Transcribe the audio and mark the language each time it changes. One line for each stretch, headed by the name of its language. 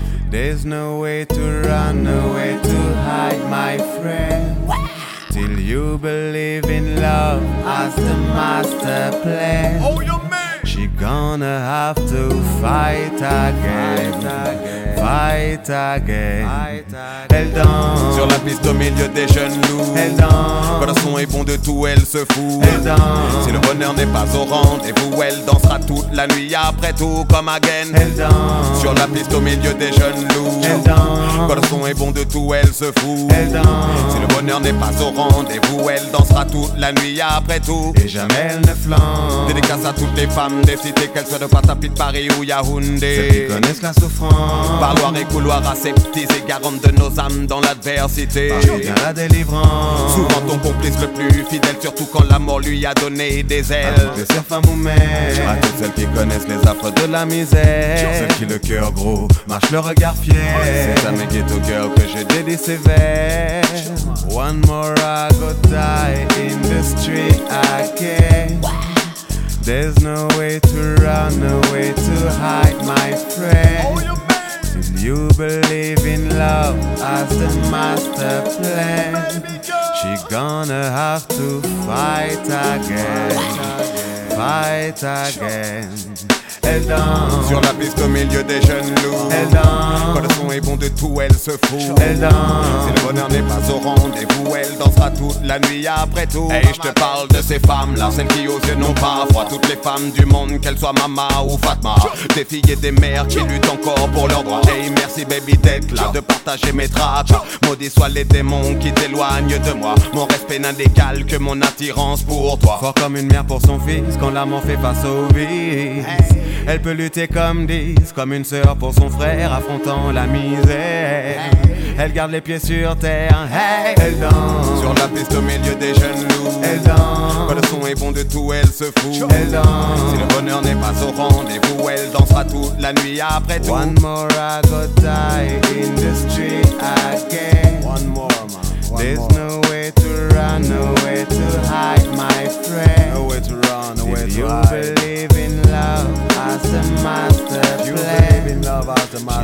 English: There's no way to run, no way to hide, my friend. Till you believe in love as the master plan. She gonna have to fight again. Fight again.
French: Elle danse sur la piste au milieu des jeunes loups. Elle danse quand le son est bon de tout, elle se fout. Elle danse si le bonheur n'est pas au rendez-vous. Elle dansera toute la nuit après tout comme again. Elle danse sur la piste au milieu des jeunes loups. Elle danse quand le son est bon de tout, elle se fout. Elle danse si le bonheur n'est pas au rendez-vous. Elle dansera toute la nuit après tout. Et jamais elle ne flanche. Dédicace à toutes les femmes des cités, qu'elles soient de Patapi, de Paris ou Yaoundé. Ceux qui connaissent la souffrance. Parloir et couloir aseptisés, garantes de nos âmes dans l'adversité. Parjour vient la délivrance. Souvent ton complice le plus fidèle, surtout quand l'amour lui a donné des ailes. Je sers femme ou mère, à toutes celles qui connaissent les affres de la misère. Sur celles qui le cœur gros marche le regard fier. C'est à mes guettes au cœur que je délie ses vers.
English: One more I go die in the street again. There's no way to run, no way to hide, my friend. You believe in love as the master plan. She gonna have to fight again. Fight again.
French: Elle danse sur la piste au milieu des jeunes loups. Elle danse quand le son est bon de tout, elle se fout. Elle danse si le bonheur n'est pas au rendez-vous. Elle dansera toute la nuit après tout. Et je te parle de ces femmes-là, celles qui aux yeux n'ont pas froid. Toutes les femmes du monde, qu'elles soient Mama ou Fatma, des filles et des mères qui luttent encore pour leurs droits. Hey, merci baby d'être là, de partager mes tracas. Maudits soient les démons qui t'éloignent de moi. Mon respect n'a d'égal que mon attirance pour toi. Fort comme une mère pour son fils, quand l'amour fait face au vice. Elle peut lutter comme 10, comme une sœur pour son frère, affrontant la misère. Elle garde les pieds sur terre, hey. Elle danse sur la piste au milieu des jeunes loups. Elle danse quand le son est bon de tout, elle se fout. Elle danse si le bonheur n'est pas au rendez-vous. Elle dansera toute la nuit après tout.
English: One more I go die in the street again. One more, man. One There's more. No way to run, no way to hide, my friend. No way to run, no way if to you hide. Believe in love as a master plan. You believe in love as a master